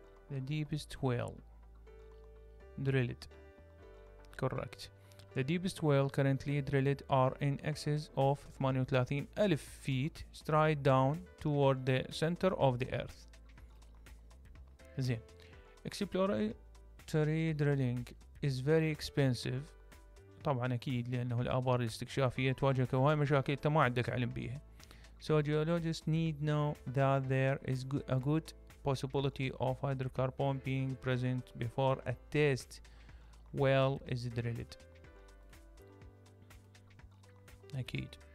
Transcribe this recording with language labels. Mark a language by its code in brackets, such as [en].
[en] The deepest well drilled. Correct. The deepest well currently drilled are in excess of 38,000 feet straight down toward the center of the earth. Then, exploratory drilling is very expensive. [ar] طبعا اكيد لانه الابار الاستكشافية تواجهك وهي مشاكل انت ما عندك علم بيها. [en] So geologists need know that there is a good possibility of hydrocarbon being present before a test well is drilled. [ar] أكيد.